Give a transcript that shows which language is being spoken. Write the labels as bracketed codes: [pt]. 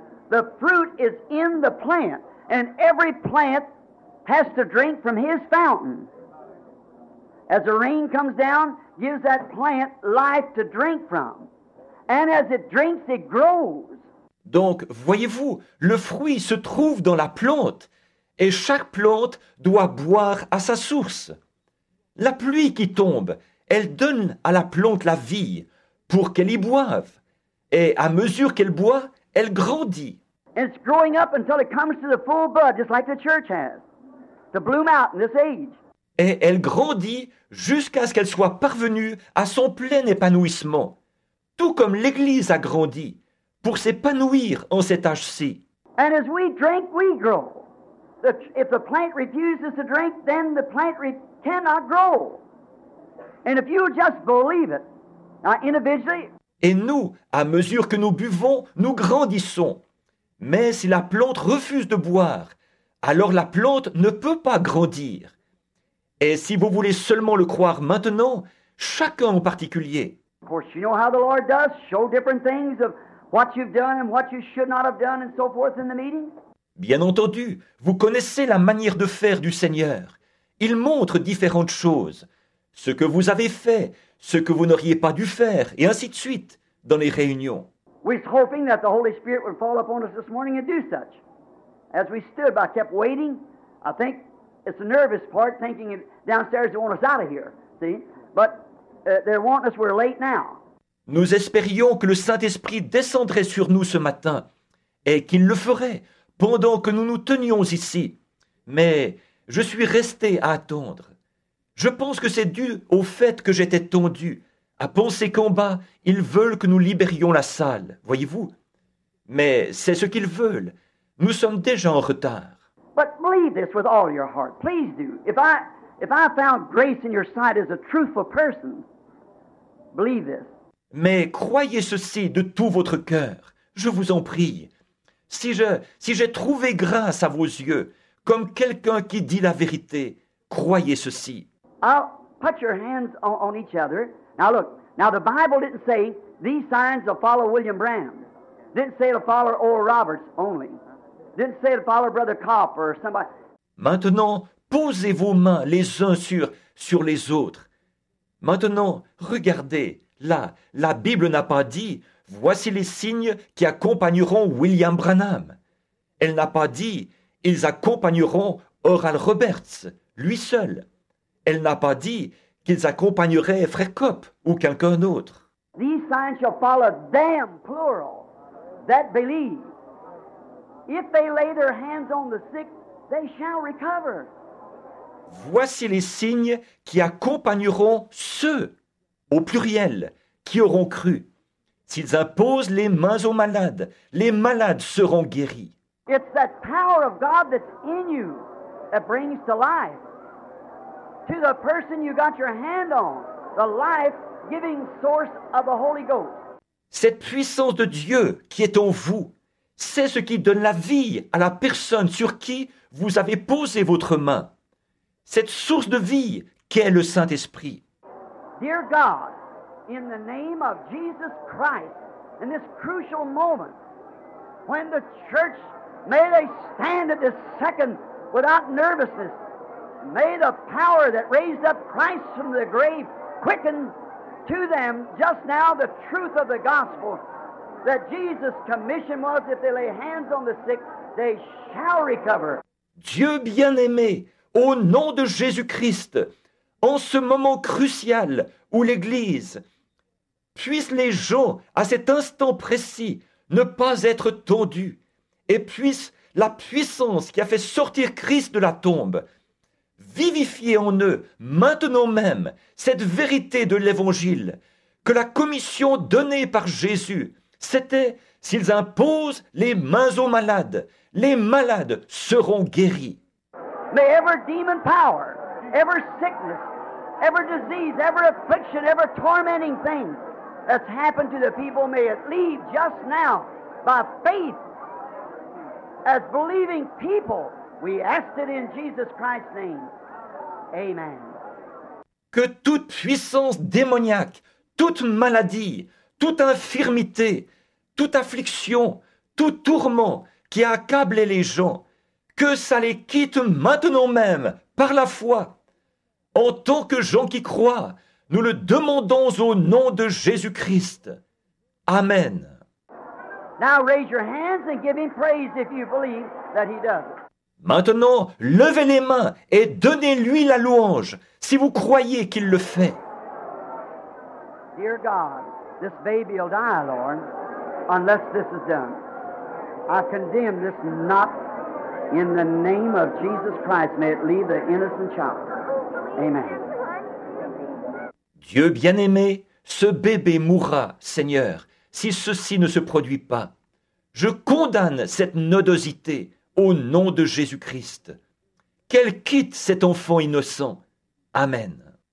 [en] The fruit is in the plant, and every plant has to drink from his fountain. As the rain comes down, gives that plant life to drink from. And as it drinks, it grows. [fr] Donc, voyez-vous, le fruit se trouve dans la plante, et chaque plante doit boire à sa source. La pluie qui tombe, elle donne à la plante la vie pour qu'elle y boive. Et à mesure qu'elle boit, elle grandit. [en] And it's growing up until it comes to the full bud, just like the church has, to bloom out in this age. [fr] Et elle grandit jusqu'à ce qu'elle soit parvenue à son plein épanouissement, tout comme l'Église a grandi pour s'épanouir en cet âge-ci. [en] And as we drink, we grow. If the plant refuses to drink, then the plant cannot grow. And if you just believe it, now individually. [fr] Et nous, à mesure que nous buvons, nous grandissons. Mais si la plante refuse de boire, alors la plante ne peut pas grandir. Et si vous voulez seulement le croire maintenant, chacun en particulier. [en] Of course, you know how the Lord does, show different things of what you've done and what you should not have done and so forth in the meeting. [fr] Bien entendu, vous connaissez la manière de faire du Seigneur. Il montre différentes choses, ce que vous avez fait, ce que vous n'auriez pas dû faire, et ainsi de suite, dans les réunions. [en] We were hoping that the Holy Spirit would fall upon us this morning and do such. As we stood, I kept waiting. I think it's the nervous part, thinking downstairs they want us out of here. See? But they're wanting us, we're late now. [fr] Nous espérions que le Saint-Esprit descendrait sur nous ce matin, et qu'il le ferait pendant que nous nous tenions ici. Mais je suis resté à attendre. Je pense que c'est dû au fait que j'étais tendu. À penser qu'en bas, ils veulent que nous libérions la salle, voyez-vous. Mais c'est ce qu'ils veulent. Nous sommes déjà en retard. [en] But believe this with all your heart. Please do. If I found grace in your sight as a truthful person, believe this. [fr] Mais croyez ceci de tout votre cœur. Je vous en prie. Si j'ai trouvé grâce à vos yeux, comme quelqu'un qui dit la vérité, croyez ceci. [en] I'll put your hands on each other. Now look, now the Bible didn't say these signs will follow William Branham. Didn't say it'll follow Oral Roberts only. Didn't say it'll follow Brother Kopp or somebody. [fr] Maintenant, posez vos mains les uns sur les autres. Maintenant, regardez, là, la Bible n'a pas dit « Voici les signes qui accompagneront William Branham ». Elle n'a pas dit « Ils accompagneront Oral Roberts, lui seul ». Elle n'a pas dit qu'ils accompagneraient Frère Kopp ou quelqu'un d'autre. [en] These signs shall follow them, plural, that believe. If they lay their hands on the sick, they shall recover. [fr] Voici les signes qui accompagneront ceux, au pluriel, qui auront cru. S'ils imposent les mains aux malades, les malades seront guéris. [en] It's that power of God that's in you that brings to life. To the person you got your hand on, the life-giving source of the Holy Ghost. [fr] Cette puissance de Dieu qui est en vous, c'est ce qui donne la vie à la personne sur qui vous avez posé votre main. Cette source de vie qu'est le Saint-Esprit. [en] Dear God, in the name of Jesus Christ, in this crucial moment, when the church, may they stand at this second without nervousness, may the power that raised up Christ from the grave quicken to them just now the truth of the gospel that Jesus' commission was if they lay hands on the sick, they shall recover. [fr] Dieu bien-aimé, au nom de Jésus-Christ, en ce moment crucial où l'Église, puissent les gens à cet instant précis ne pas être tendus et puisse la puissance qui a fait sortir Christ de la tombe vivifier en eux, maintenant même, cette vérité de l'Évangile, que la commission donnée par Jésus, c'était, s'ils imposent les mains aux malades, les malades seront guéris. [en] May every demon power, every sickness, every disease, every affliction, every tormenting thing that's happened to the people, may it leave just now by faith, as believing people, We ask it in Jesus Christ's name. Amen. [fr] Que toute puissance démoniaque, toute maladie, toute infirmité, toute affliction, tout tourment qui a accablé les gens, que ça les quitte maintenant même, par la foi. En tant que gens qui croient, nous le demandons au nom de Jésus-Christ. Amen. [en] Now raise your hands and give him praise if you believe that he does. [fr] Maintenant, levez les mains et donnez-lui la louange si vous croyez qu'il le fait. [en] Dear God, this baby will die, Lord, unless this is done. I condemn this not in the name of Jesus Christ. May it leave the innocent child. Amen. [fr] Dieu bien-aimé, ce bébé mourra, Seigneur, si ceci ne se produit pas. Je condamne cette nodosité au nom de Jésus-Christ. Qu'elle quitte cet enfant innocent. Amen.